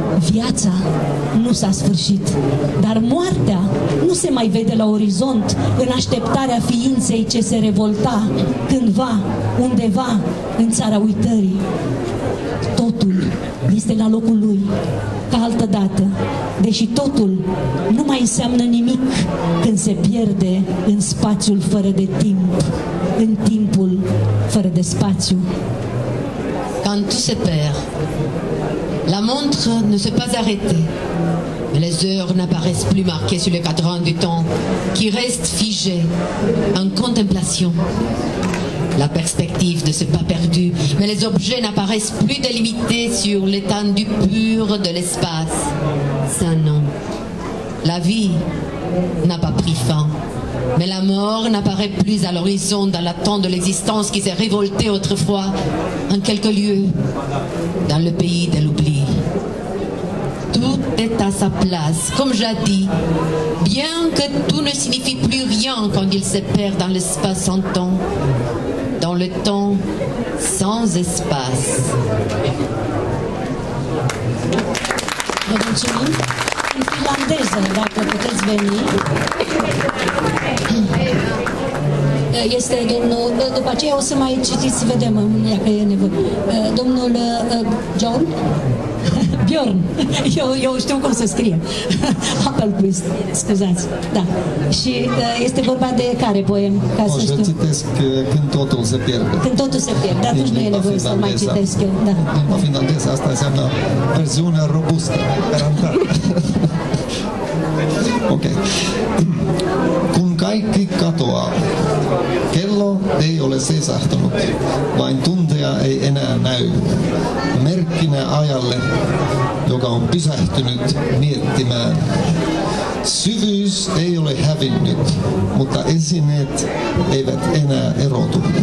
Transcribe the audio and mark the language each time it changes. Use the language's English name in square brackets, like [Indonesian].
[Romanian] Viața nu s-a sfârșit, dar moartea nu se mai vede la orizont în așteptarea ființei ce se revolta cândva, undeva, în țara uitării. Totul este la locul lui, ca altădată, deși totul nu mai înseamnă nimic când se pierde în spațiul fără de timp, în timpul fără de spațiu. [French] Quand tout se perd, la montre ne s'est pas arrêtée, mais les heures n'apparaissent plus marquées sur le cadran du temps, qui reste figé en contemplation. La perspective ne s'est pas perdue, mais les objets n'apparaissent plus délimités sur l'étendue pure de l'espace. Saint nom. La vie n'a pas pris fin, mais la mort n'apparaît plus à l'horizon dans l'attente de l'existence qui s'est révoltée autrefois en quelques lieux, dans le pays de l'oubli. Tout est à sa place, comme j'ai dit, bien que tout ne signifie plus rien quand il se perd dans l'espace sans temps. Dans le temps sans espace. [Romanian] Vă mulțumim. În finlandeză, dacă puteți veni. Este domnul, după aceea o să mai citiți și vedem dacă e nevoie. Domnul John? Bjorn. Eu știu cum să scrie. Applepust, scuzați. Da. Și este vorba de care poem? Ca să știu. Citesc Când totul se pierde. Când totul se pierde, atunci nu e nevoie să mai citesc eu. Da. Limba finlandeză, asta înseamnă versiunea robustă, garantată. Ok. [Finnish] Kun kaikki katoaa, kello ei ole seisahtunut, vain tunteja ei enää näy. Merkkinä ajalle, joka on pysähtynyt miettimään. Syvyys ei ole hävinnyt, mutta esineet eivät enää erotu.